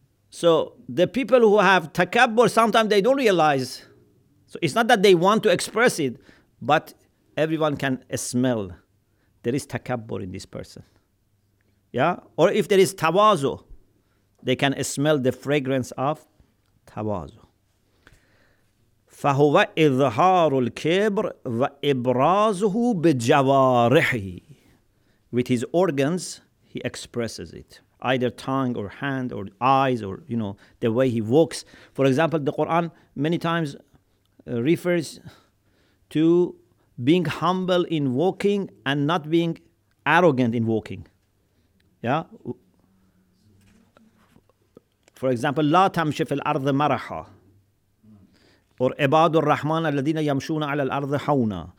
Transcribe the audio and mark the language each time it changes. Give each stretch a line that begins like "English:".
English: So the people who have takabbur, sometimes they don't realize. So it's not that they want to express it, but everyone can smell there is takabbur in this person. Yeah? Or if there is tawazu, they can smell the fragrance of tawazu.
Arabic: فهو إظهار الكبر وإبرازه بجوارحه.
English: With his organs, he expresses it. Either tongue or hand or eyes or, you know, the way he walks. For example, the Quran many times refers to being humble in walking and not being arrogant in walking. Yeah? For example,
Arabic: لا تمشي في الأرض مرحا. Or عباد الرحمن الذين يمشون على الأرض حونا.